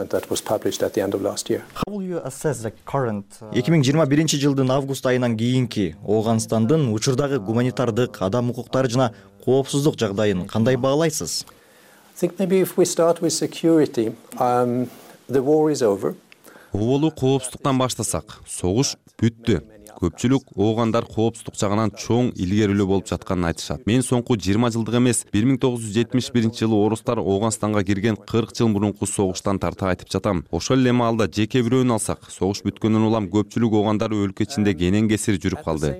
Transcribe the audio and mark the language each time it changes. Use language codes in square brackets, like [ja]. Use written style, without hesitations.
[en] How will you assess the current [ky] 2021 жылдын август айынан кийинки Ооганстандын учурдагы гуманитардык, адам укуктары жана коопсуздук жагдайын кандай баалайсыз? [en] I think maybe if we start with security, the war is over. [ky] Оолу коопсуздуктан баштасак, согуш бүттү. Көпчүлүк оогандар коопсуздук жагынан чоң илгерилүү болуп жатканын айтышат. Мен соңку 20 жылдык эмес, 1971 жылы орустар Ооганстанга кирген 40 жыл мурунку согуштан тарта айтып жатам. Ошол эле маалда жеке бирөөнү алсак, согуш бүткөндөн улам көпчүлүк оогандар өлкө ичинде кенен кесир жүрүп калды.